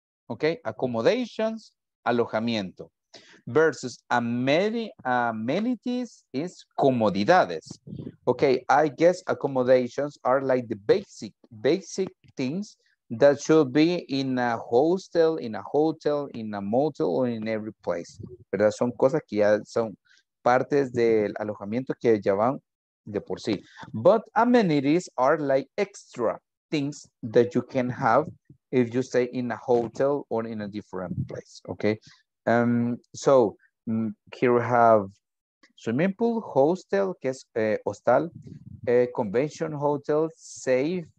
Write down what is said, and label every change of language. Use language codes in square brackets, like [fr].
[en] Okay, accommodations, alojamiento. Versus amenities is comodidades. Okay, I guess accommodations are like the basic things that should be in a hostel, in a hotel, in a motel, or in every place. [es] ¿Verdad? Son cosas que ya son partes del alojamiento que ya van de por sí. [en] But amenities are like extra things that you can have if you stay in a hotel or in a different place. Okay. So here we have swimming pool, hostel, [es] que es hostal, [en] convention hotel, safe.